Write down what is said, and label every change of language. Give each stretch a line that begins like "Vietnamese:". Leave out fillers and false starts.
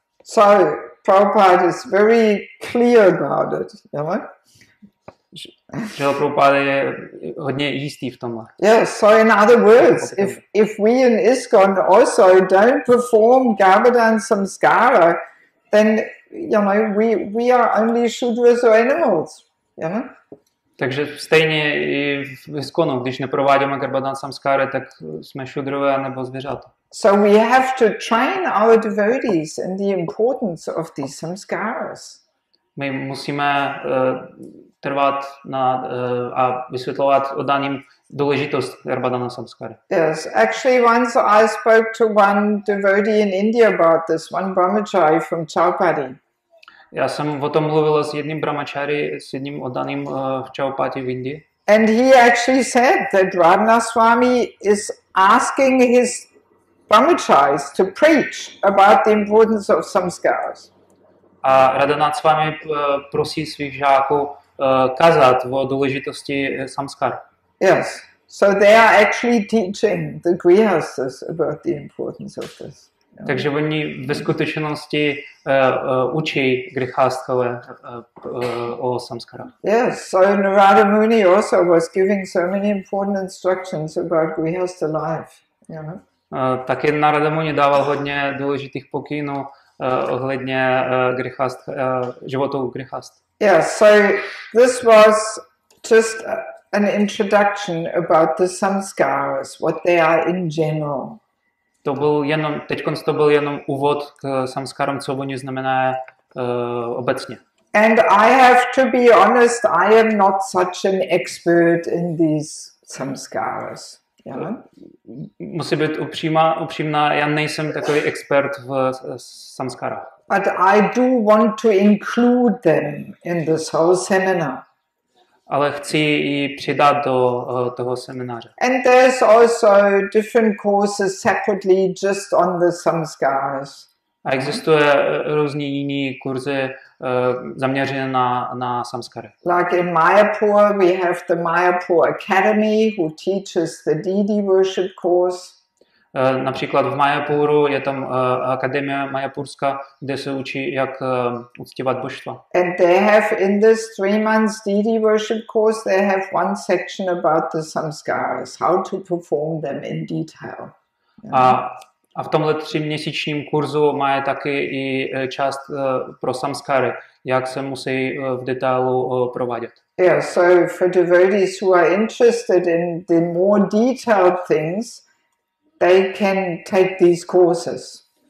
English: So Prabhupada is very clear about it, you know?
Czech: Srila Prabhupada je hodně jistý v tomhle.
English: Yes, so in other words, if we in ISKCON also don't perform Gavadan samskara, then you know we are only shudras or animals. You know?
Czech: Takže stejně i v ISKCONu, když neprovádíme Gavadan samskara, tak jsme šudrové nebo zvířata.
English: So we have to train our devotees in the importance of these samskaras.
Czech: My musíme trvat na a vysvětlovat oddaným důležitost Garbhadana samskara.
English: Yes, actually once I spoke to one devotee in India about this, one brahmachari from Chaupati.
Czech: Já jsem o tom mluvil s jedním brahmachari, s jedním oddaným v Chaupati v Indii.
English: And he actually said that Radhana Swami is asking his brahmacharis to preach about the importance of samskaras.
Czech: A Radhanath Swami prosí svých žáků kazat o důležitosti samskar.
English: Yes. So they are actually teaching the grihasthas about the importance of this.
Czech: Takže oni ve skutečnosti učí grihasthové o samskarách.
English: Yes. So Narada Muni also was giving so many important instructions about grihastha life. You know?
Czech: Taky Narada Muni dával hodně důležitých pokynů ohledně životu grihast.
English: Yeah, so this was just an introduction about the samskaras, what they are in general.
Czech: To byl jenom teďkon to byl jenom úvod k samskarům, co oni znamená obecně.
English: And I have to be honest, I am not such an expert in these samskaras.
Czech: Musím být upřímná, já nejsem takový expert v samskarách.
English: But I do want to include them in this whole seminar.
Czech: Ale chci ji přidat do toho semináře.
English: And there's also different courses separately just on the samskaras.
Czech: A existuje různé jiné kurzy zaměřené na samskary.
English: Like in Mayapur, we have the Mayapur Academy, who teaches the Deity Worship course.
Czech: Například v Mayapuru je tam akademie mayapurská, kde se učí, jak uctívat božstva.
English: And they have in this 3 months Deity Worship course, they have one section about the samskaras, how to perform them in detail.
Czech: A v tomhle 3měsíčním kurzu mají taky i část pro samskary, jak se musí v detailu provádět.
English: Yeah, so for devotees who are interested in the more detailed things, they can take these courses.